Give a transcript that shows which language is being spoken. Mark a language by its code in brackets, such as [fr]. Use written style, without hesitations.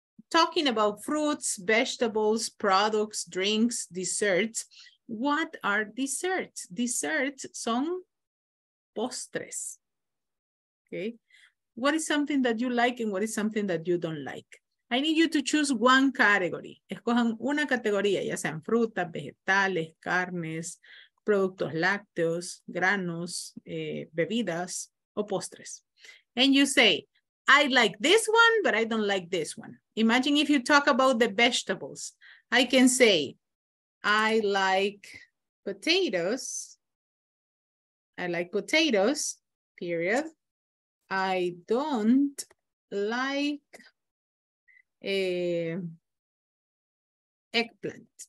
[en] Talking about fruits, vegetables, products, drinks, desserts. What are desserts? Desserts [es] son postres. [en] Okay. What is something that you like and what is something that you don't like? I need you to choose one category. [es] Escojan una categoría, ya sean frutas, vegetales, carnes, productos lácteos, granos, bebidas, o postres. [en] And you say, I like this one, but I don't like this one. Imagine if you talk about the vegetables. I can say, I like potatoes. I like potatoes, period. I don't like eggplant.